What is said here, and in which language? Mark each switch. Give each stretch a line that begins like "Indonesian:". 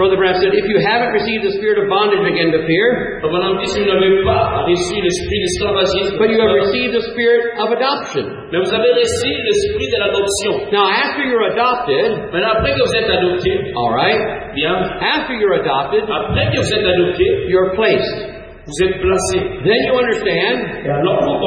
English: Brother Branham said, if you haven't received the spirit of bondage again to fear,
French: Branham dit, si vous n'avez pas reçu l'esprit d'esclavagisme,
English: but you have received the spirit of adoption.
French: Mais vous avez reçu l'esprit de l'adoption.
English: Now, after you're adopted,
French: maintenant, après que vous êtes adopté,
English: all right,
French: bien,
English: after you're adopted,
French: après que vous êtes adopté,
English: you're placed.
French: Vous êtes placé.
English: Then you understand.
French: Alors,